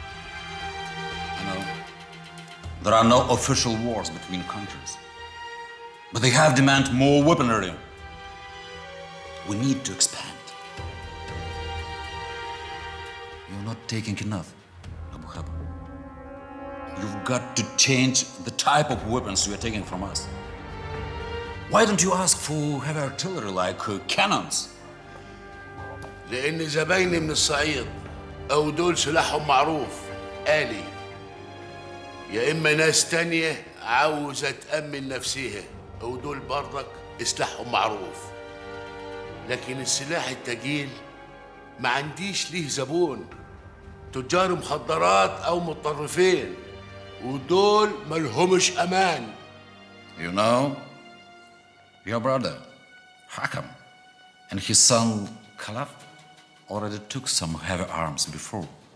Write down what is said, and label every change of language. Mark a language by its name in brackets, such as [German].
[English] I know there are no official wars between countries, but they have demand more weaponry. We need to expand. You're not taking enough, Abu Haba. You've got to change the type of weapons you are taking from us. Why don't you ask for heavy artillery like cannons? [Arabic] لأن زبايني من الصعيد أو دول سلاحهم معروف آلي يا إما ناس تانية عاوزة تأمن نفسيها أو دول برضك سلاحهم معروف. لكن السلاح التقيل ما عنديش ليه زبون، تجار مخدرات أو متطرفين، ودول ملهمش أمان. [English] You know, your brother Hakam and his son Khalaf already took some heavy arms before.